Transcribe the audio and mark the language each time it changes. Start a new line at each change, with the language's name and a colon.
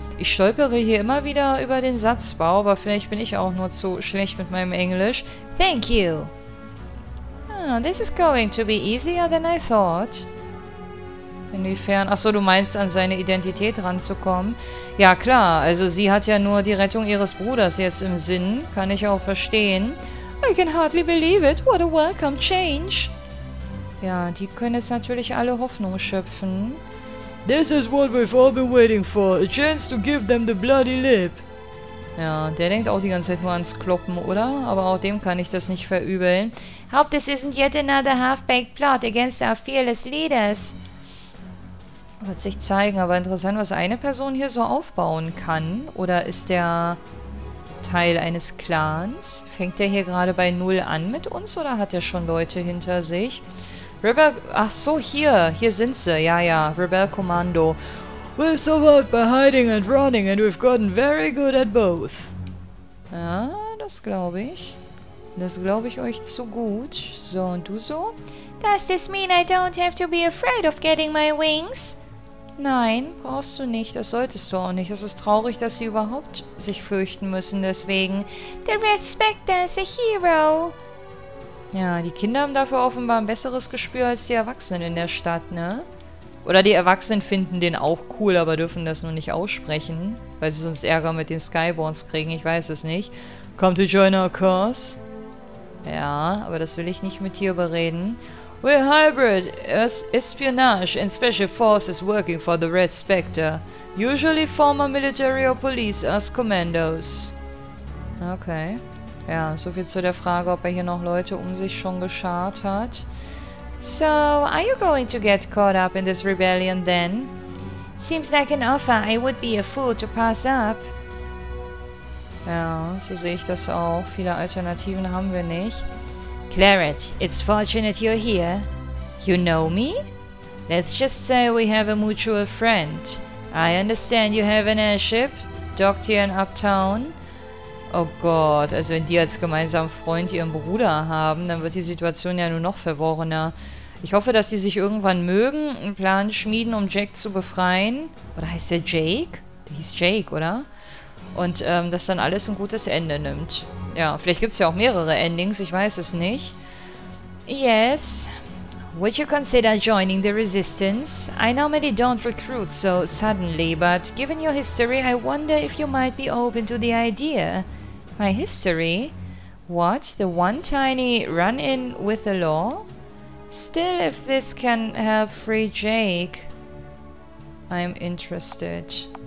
German: Ich stolpere hier immer wieder über den Satzbau, aber vielleicht bin ich auch nur zu schlecht mit meinem Englisch.
English: Thank you. Ah, this is going to be easier than I thought.
German: Inwiefern? Achso, du meinst, an seine Identität ranzukommen? Ja, klar. Also sie hat ja nur die Rettung ihres Bruders jetzt im Sinn. Kann ich auch verstehen.
English: I can hardly believe it. What a welcome change.
German: Ja, die können jetzt natürlich alle Hoffnung schöpfen.
English: This is what we've all been waiting for. A chance to give them the bloody lip.
German: Ja, der denkt auch die ganze Zeit nur ans Kloppen, oder? Aber auch dem kann ich das nicht verübeln.
English: Hope this isn't yet another half-baked plot against our fearless leaders.
German: Wird sich zeigen, aber interessant, was eine Person hier so aufbauen kann. Oder ist der Teil eines Clans? Fängt der hier gerade bei Null an mit uns oder hat er schon Leute hinter sich? Rebel... Ach so, hier. Hier sind sie. Ja, ja. Rebel Kommando.
English: We've survived by hiding and running and we've gotten very good at both.
German: Ja, das glaube ich. Das glaube ich euch zu gut. So, und du so?
English: Does this mean I don't have to be afraid of getting my wings?
German: Nein, brauchst du nicht. Das solltest du auch nicht. Es ist traurig, dass sie überhaupt sich fürchten müssen, deswegen.
English: The Red Spectre is a hero.
German: Ja, die Kinder haben dafür offenbar ein besseres Gespür als die Erwachsenen in der Stadt, ne? Oder die Erwachsenen finden den auch cool, aber dürfen das nur nicht aussprechen, weil sie sonst Ärger mit den Skyborns kriegen, ich weiß es nicht.
English: Come to join our cause.
German: Ja, aber das will ich nicht mit dir überreden.
English: We're hybrid espionage and special forces working for the Red Spectre. Usually former military or police as commandos. Okay.
German: Ja, soviel zu der Frage, ob er hier noch Leute um sich schon geschart hat.
English: So, are you going to get caught up in this rebellion then? Seems like an offer I would be a fool to pass up. Ja, so sehe ich das auch. Viele Alternativen haben wir nicht. Claret, it's fortunate you're here. You know me? Let's just say we have a mutual friend. I understand you have an airship docked here in Uptown.
German: Oh Gott, also wenn die als gemeinsamen Freund ihren Bruder haben, dann wird die Situation ja nur noch verworrener. Ich hoffe, dass die sich irgendwann mögen, einen Plan schmieden, um Jack zu befreien. Oder heißt der Jake? Der hieß Jake, oder? Und dass dann alles ein gutes Ende nimmt. Ja, vielleicht gibt es ja auch mehrere Endings, ich weiß es nicht.
English: Yes. Would you consider joining the Resistance? I normally don't recruit so suddenly, but given your history, I wonder if you might be open to the idea. My history? What? The one tiny run-in with the law? Still, if this can help free Jake, I'm interested.